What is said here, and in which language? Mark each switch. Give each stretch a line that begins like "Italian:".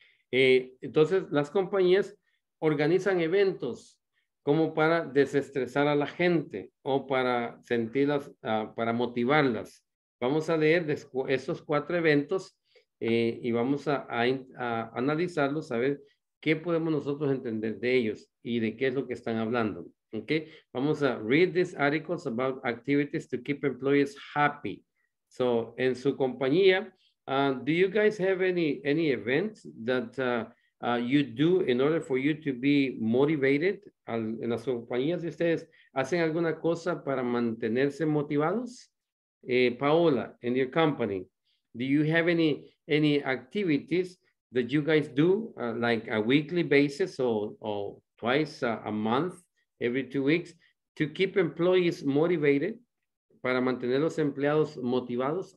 Spanish: Entonces, las compañías organizan eventos como para desestresar a la gente o para sentirlas, para motivarlas. Vamos a leer esos 4 eventos y vamos a analizarlos, a ver qué podemos nosotros entender de ellos y de qué es lo que están hablando.
English: Okay?
Spanish: Vamos a
English: read these articles about activities to keep employees happy. So,
Spanish: en su compañía,
English: do you guys have any events that you do in order for you to be motivated?
Spanish: En las compañías de ustedes, ¿hacen alguna cosa para mantenerse motivados?
English: Paola, in your company, do you have any activities that you guys do like a weekly basis or twice a month, every 2 weeks, to keep employees motivated,
Spanish: para mantener los empleados motivados?